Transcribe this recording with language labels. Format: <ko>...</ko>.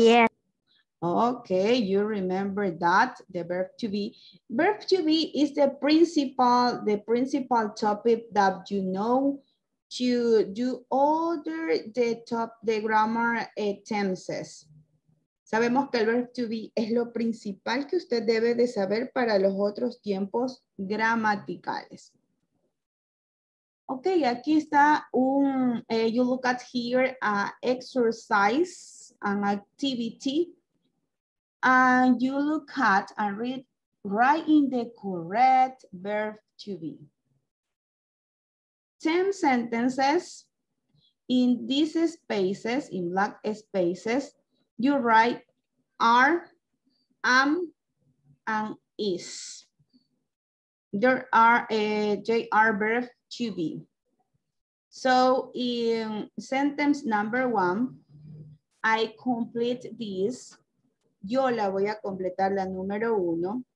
<en>Yeah. Okay, you remember that, the verb to be. Verb to be is the principal topic that you know to do other the grammar tenses.</en> <es>Sabemos que el verb to be es lo principal que usted debe de saber para los otros tiempos gramaticales.</es> <en>Okay,</en> <es>aquí está un,</es> <en>you look at here, exercise, an activity. And you look at and read, write in the correct verb to be. 10 sentences in these spaces, in black spaces, you write are, am, and is. There are a JR verb to be. So in sentence number one, I complete this.</en> <es>Yo la voy a completar la número uno.</es>